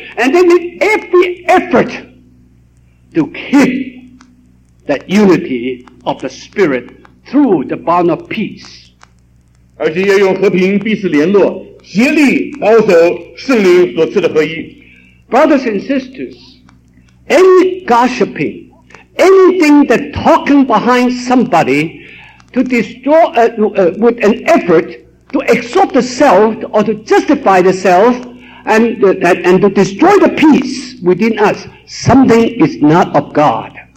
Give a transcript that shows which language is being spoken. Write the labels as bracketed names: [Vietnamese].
[English] And then make every effort to keep that unity of the Spirit through the bond of peace. [Chinese] 而且要用和平彼此联络，竭力保守圣灵所赐的合一。 [English] Brothers and sisters, any gossiping, anything that talking behind somebody to destroy with an effort to exalt the self or to justify the self and to destroy the peace within us, something is not of God.